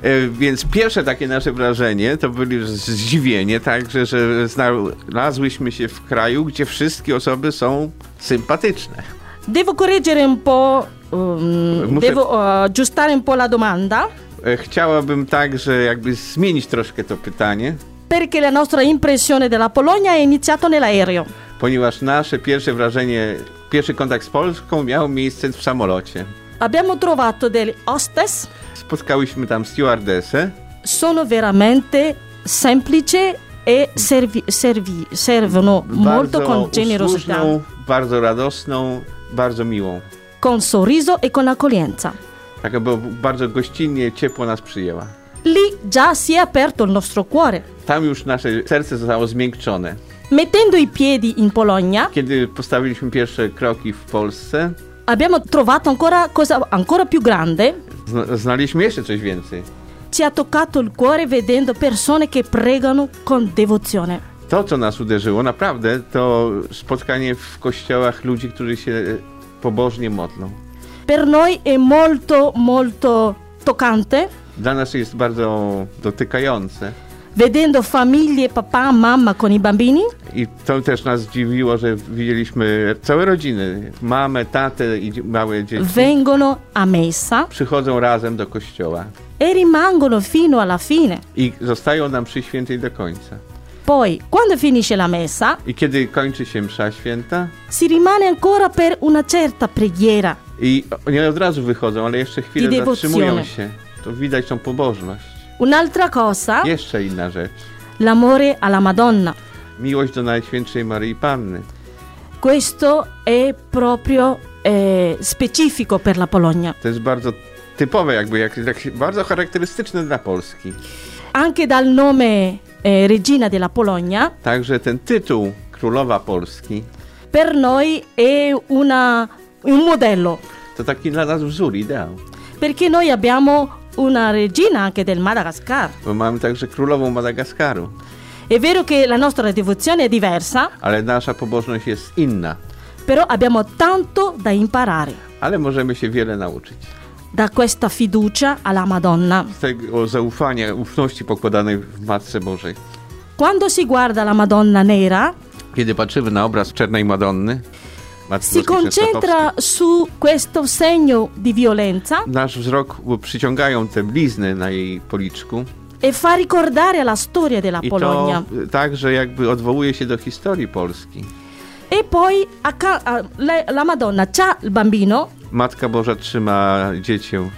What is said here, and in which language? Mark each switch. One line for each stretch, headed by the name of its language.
Polish: Więc pierwsze takie nasze wrażenie to było zdziwienie, także, że znalazłyśmy się w kraju, gdzie wszystkie osoby są sympatyczne.
Italian: Devo correggere un po', devo aggiustare un po' la domanda.
Polish: Chciałabym także jakby zmienić troszkę to pytanie.
Italian: Perché la nostra impressione della Polonia è iniziato nell'aereo.
Polish: Ponieważ nasze pierwsze wrażenie, pierwszy kontakt z Polską miał miejsce w samolocie.
Italian: Abbiamo trovato delle hostess.
Polish: Spotkałyśmy tam stewardesse.
Italian: Sono veramente semplice e servono molto con generosità.
Polish: Bardzo usłużną, bardzo radosną, bardzo miłą.
Italian: Con sorriso e con accoglienza.
Polish: Tak, bo bardzo gościnnie, ciepło nas przyjęła.
Italian: Lì già si è aperto il nostro cuore.
Polish: Tam już nasze serce zostało zmiękczone.
Italian: Mettendo i piedi in Polonia.
Polish: Kiedy postawiliśmy pierwsze kroki w Polsce.
Italian: Abbiamo trovato ancora cosa ancora più grande.
Polish: Znaliśmy jeszcze coś więcej.
Italian: Ci ha toccato il cuore vedendo persone che pregano con devozione.
Polish: To, co nas uderzyło naprawdę, to spotkanie w kościołach ludzi, którzy się pobożnie modlą.
Italian: Per noi è molto, molto toccante.
Polish: Dla nas jest bardzo dotykające.
Italian: Vedendo famiglie, papà, mamma con i bambini.
Polish: I to też nas zdziwiło, że widzieliśmy całe rodziny. Mamę, tatę i małe dzieci.
Italian: Vengono a messa.
Polish: Przychodzą razem do kościoła.
Italian: E rimangono fino alla fine.
Polish: I zostają nam przy świętej do końca.
Italian: Poi, quando finisce la messa.
Polish: I kiedy kończy się msza święta.
Italian: Si rimane ancora per una certa preghiera.
Polish: I oni od razu wychodzą, ale jeszcze chwilę zatrzymują się. To widać tą pobożność.
Italian: Un'altra cosa.
Polish: Jeszcze inna rzecz.
Italian: L'amore alla Madonna.
Polish: Miłość do Najświętszej Maryi Panny.
Italian: Questo è proprio specifico per la Polonia.
Polish: To jest bardzo typowe, jakby jak bardzo charakterystyczne dla Polski.
Italian: Anche dal nome Regina della Polonia.
Polish: Także ten tytuł Królowa Polski.
Italian: Per noi è un modello.
Polish: To taki dla nas wzór, ideał.
Italian: Perché noi abbiamo una regina anche del Madagascar.
Polish: Bo mamy także królową Madagaskaru.
Italian: È vero che la nostra devozione è diversa.
Polish: Ale nasza pobożność jest inna.
Italian: Però abbiamo tanto da imparare.
Polish: Ale możemy się wiele nauczyć.
Italian: Da questa fiducia alla Madonna.
Polish: Z tego zaufania, ufności pokładanej w Matce Bożej.
Italian: Quando si guarda la Madonna nera.
Polish: Kiedy patrzymy na obraz Czernej Madonny.
Italian: Si concentra su questo segno di violenza.
Polish: Nasz wzrok przyciągają te blizny na jej policzku.
Italian: E fa ricordare la storia della Polonia.
Polish: I to także jakby odwołuje się do historii Polski.
Italian: E poi la Madonna c'ha il bambino.
Polish: Matka Boża trzyma dziecię.